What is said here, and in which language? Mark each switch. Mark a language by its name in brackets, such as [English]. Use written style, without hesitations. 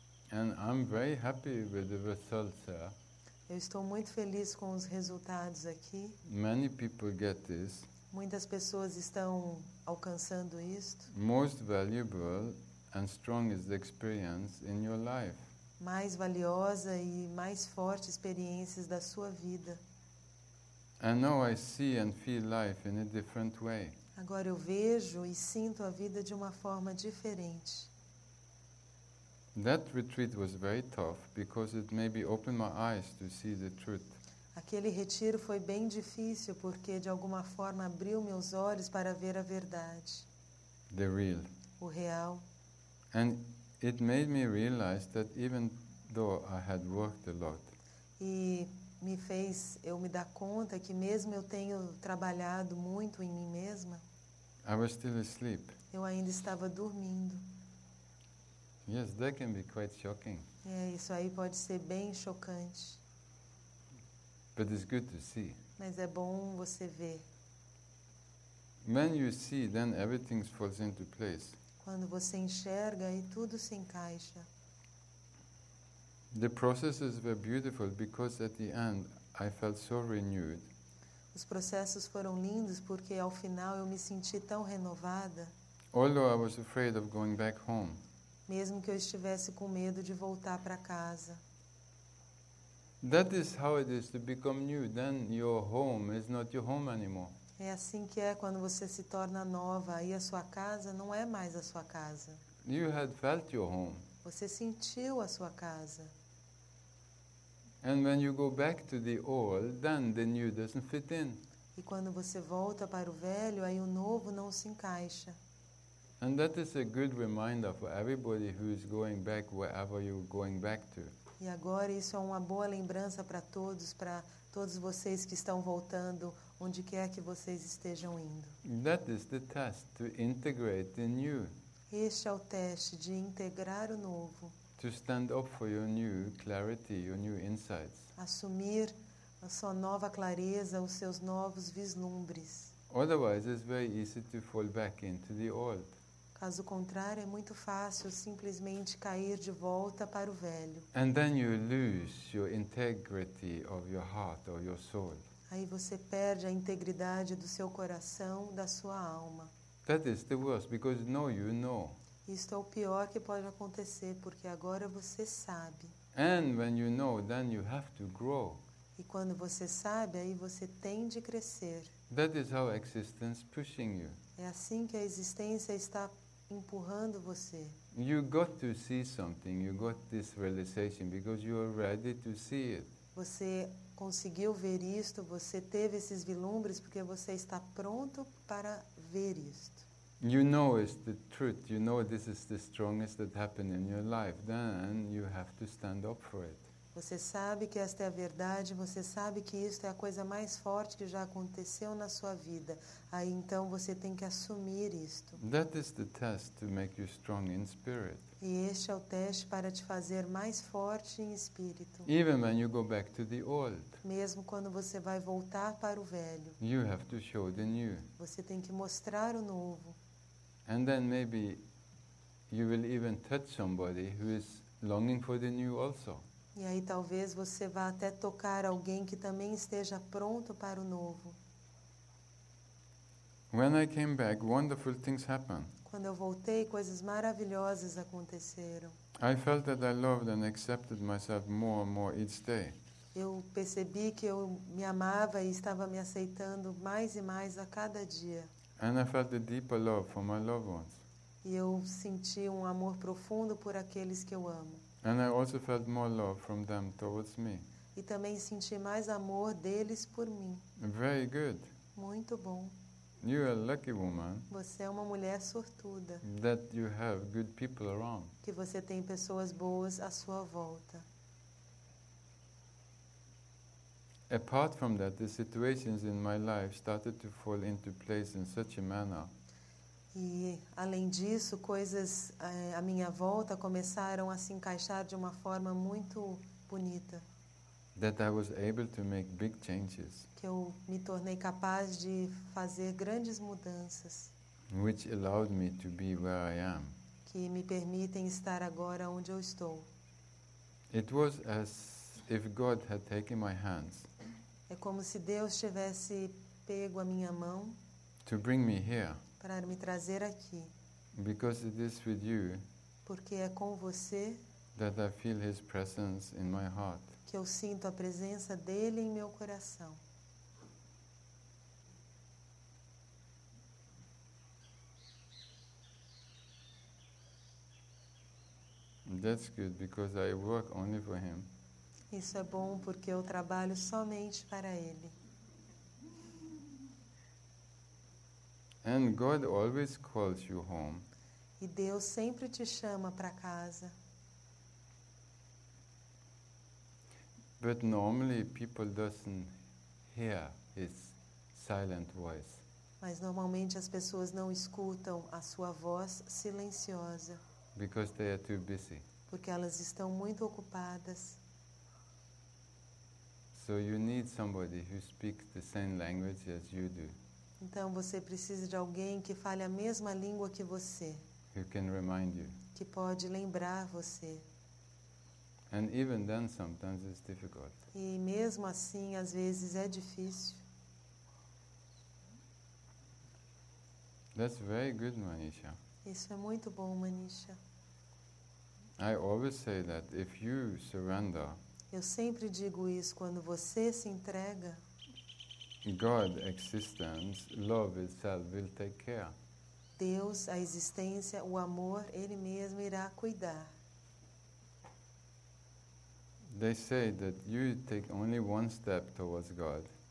[English] And I'm very happy with the results here. [Portuguese] Eu estou muito feliz com os resultados aqui. [English] Many people get this. [Portuguese] Muitas pessoas estão alcançando isto. [English] Most valuable and strongest experience in your life. [Portuguese] Mais valiosa e mais forte experiências da sua vida. [English] And now I see and feel life in a different way. [Portuguese] Agora eu vejo e sinto a vida de uma forma diferente. [English] That retreat was very tough because it maybe opened my eyes to see the truth. [Portuguese] Aquele retiro foi bem difícil porque, de alguma forma, abriu meus olhos para ver a verdade. [English] The real. [Portuguese] O real. [English] And it made me realize that even though I had worked a lot. [Portuguese] E me fez eu me dar conta que mesmo eu tenho trabalhado muito em mim mesma. [English] I was still asleep. [Portuguese] Eu ainda estava dormindo. [English] Yes, that can be quite shocking. [Portuguese] É, isso aí pode ser bem chocante. [English] But it's good to see. [Portuguese] Mas é bom você ver. [English] When you see, then everything falls into place. [Portuguese] Quando você enxerga, aí tudo se encaixa. [English] The processes were beautiful because at the end I felt so renewed. [Portuguese] Os processos foram lindos porque ao final eu me senti tão renovada. [English] Although I was afraid of going back home. [Portuguese] Mesmo que eu estivesse com medo de voltar para casa. [English] That is how it is to become new. Then your home is not your home anymore. [Portuguese] É assim que é quando você se torna nova, aí a sua casa não é mais a sua casa. [English] You had felt your home. [Portuguese] Você sentiu a sua casa. [English] And when you go back to the old, then the new doesn't fit in. [Portuguese] E quando você volta para o velho, aí o novo não se encaixa. [English] And that is a good reminder for everybody who is going back wherever you're going back to. [Portuguese] E agora isso é uma boa lembrança para todos vocês que estão voltando, onde quer que vocês estejam indo. [English] That is the test to integrate the new. [Portuguese] Este é o teste de integrar o novo. [English] To stand up for your new clarity, your new insights. [Portuguese] Assumir a sua nova clareza, os seus novos vislumbres. [English] Otherwise, it's very easy to fall back into the old. [Portuguese] Caso contrário, é muito fácil simplesmente cair de volta para o velho. [English] And then you lose your integrity of your heart or your soul. [Portuguese] Aí você perde a integridade do seu coração, da sua alma. [English] That is the worst, because now you know. [Portuguese] Isto é o pior que pode acontecer, porque agora você sabe. [English] And when you know, then you have to grow. [Portuguese] E quando você sabe, aí você tem de crescer. [English] That is how existence pushing you. [Portuguese] É assim que a existência está empurrando você. [English] You got to see something, you got this realization, because you are ready to see it. [Portuguese] Você conseguiu ver isto, você teve esses vislumbres porque você está pronto para ver isto. [English] You know it's the truth, you know this is the strongest that happened in your life, then you have to stand up for it. [Portuguese] Você sabe que esta é a verdade, você sabe que isto é a coisa mais forte que já aconteceu na sua vida. Aí então você tem que assumir isto. [English] That is the test to make you strong in spirit. [Portuguese] E este é o teste para te fazer mais forte em espírito. [English] Even when you go back to the old. [Portuguese] Mesmo quando você vai voltar para o velho. [English] You have to show the new. [Portuguese] Você tem que mostrar o novo. [English] And then maybe you will even touch somebody who is longing for the new also. [Portuguese] E aí talvez você vá até tocar alguém que também esteja pronto para o novo. [English] When I came back, wonderful things happened. [Portuguese] Quando eu voltei, coisas maravilhosas aconteceram. [English] I felt that I loved and accepted myself more and more each day. [Portuguese] Eu percebi que eu me amava e estava me aceitando mais e mais a cada dia. [English] And I felt a deeper love for my loved ones. [Portuguese] E eu senti um amor profundo por aqueles que eu amo. [English] And I also felt more love from them towards me. [Portuguese] E também senti mais amor deles por mim. [English] Very good. [Portuguese] Muito bom. [English] You are a lucky woman. [Portuguese] Você é uma mulher sortuda. [English] That you have good people around. [Portuguese] Que você tem pessoas boas à sua volta. [English] Apart from that, the situations in my life started to fall into place in such a manner. [Portuguese] E, além disso, coisas à minha volta começaram a se encaixar de uma forma muito bonita. [English] That I was able to make big changes. [Portuguese] Que eu me tornei capaz de fazer grandes mudanças. [English] Which allowed me to be where I am. [Portuguese] Que me permitem estar agora onde eu estou. [English] It was as if God had taken my hands. [Portuguese] É como se Deus tivesse pego a minha mão. [English] To bring me here. [Portuguese] Para me trazer aqui. [English] Because it is with you. [Portuguese] Porque é com você. [English] That I feel his presence in my heart. [Portuguese] Que eu sinto a presença dele em meu coração. [English] That's good because I work only for him. [Portuguese] Isso é bom porque eu trabalho somente para ele. [English] And God always calls you home. [Portuguese] E Deus sempre te chama para casa. [English] But normally people doesn't hear his silent voice. [Portuguese] Mas normalmente as pessoas não escutam a sua voz silenciosa. [English] Because they are too busy. [Portuguese] Porque elas estão muito ocupadas. [English] So you need somebody who speaks the same language as you do. [Portuguese] Então você precisa de alguém que fale a mesma língua que você. [English] Who can remind you. [Portuguese] Que pode lembrar você. [English] And even then sometimes it's difficult. [Portuguese] E mesmo assim, às vezes é difícil. [English] That's very good, Manisha. [Portuguese] Isso é muito bom, Manisha. [English] I always say that if you surrender. [Portuguese] Eu sempre digo isso, quando você se entrega. [English] God, existence, love itself will take care. [Portuguese] Deus, a existência, o amor, ele mesmo irá cuidar. [English] They say that you take only one step towards God.